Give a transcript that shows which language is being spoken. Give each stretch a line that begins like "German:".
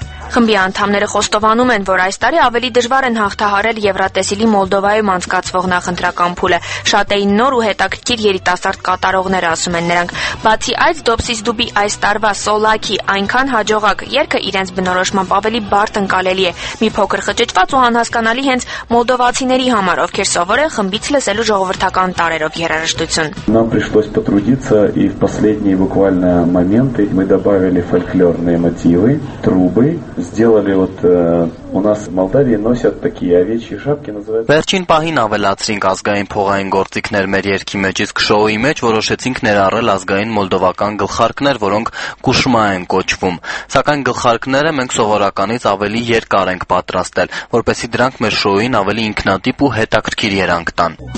Armenian: Խմբի անդամները խոստովանում են, որ այս տարի ավելի դժվար են հաղթահարել Եվրատեսիլի Մոլդովայում անցկացվող նախընտրական փուլը։ Շատ էին նոր ու հետաքրքիր երիտասարդ կատարողները, ասում են նրանք։ Բացի այդ, Դոպսիս Դուբի այս տարվա Սոլակի այնքան հաջողակ երկը իրենց բնորոշմամբ ավելի բարդ ընկալելի է, մի փոքր խճճված ու անհասկանալի հենց մոլդովացիների համար, ովքեր սովոր են խմբից լսելու ժողովրդական տարերով երաժշտություն։
Russian: Нам пришлось потрудиться и в последние буквально моменты мы добавили фольклорные мотивы, трубы. Сделали вот у нас в Молдавии носят такие овечьи шапки, называются.
Armenian: Վերջին պահին ավելացրինք ազգային փողային գործիքներ մեր երկի մեջ, իսկ շոուի մեջ որոշեցինք ներառել ազգային մոլդովական գլխարկներ, որոնք կուշմա են կոչվում։ Սակայն գլխարկները մենք սովորականից ավելի երկար ենք պատրաստել, որպեսզի դրանք մեր շոուին ավելի ինքնատիպ ու հետաքրքիր երանգ տան։